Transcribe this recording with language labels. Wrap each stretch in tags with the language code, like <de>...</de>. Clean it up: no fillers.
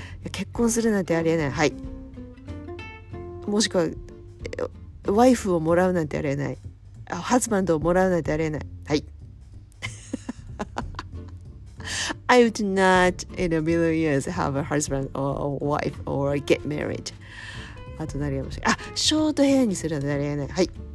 <ja>結婚するなんてありえない、はい、もしくはワイフをもらうなんてありえない、ハズバンドをもらうなんてありえない、はい。</ja> <en>I would not in a million years have a husband or a wife or get married。</en> <ja>あと何がもしれない、あ、ショートヘアにするなんてありえない、はい。</ja>